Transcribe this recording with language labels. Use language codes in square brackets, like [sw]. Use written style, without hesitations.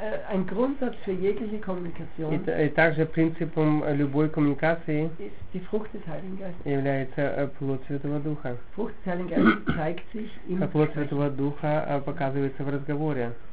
[de] Ein Grundsatz für jegliche Kommunikation. [ru] Также принципом любой коммуникации. [de] Ist die Frucht des Heiligen Geistes. [ru] Является плод Святого Духа. [de] Frucht des Heiligen Geistes zeigt sich im Gespräch. [ru] Плод Святого Духа показывается в разговоре.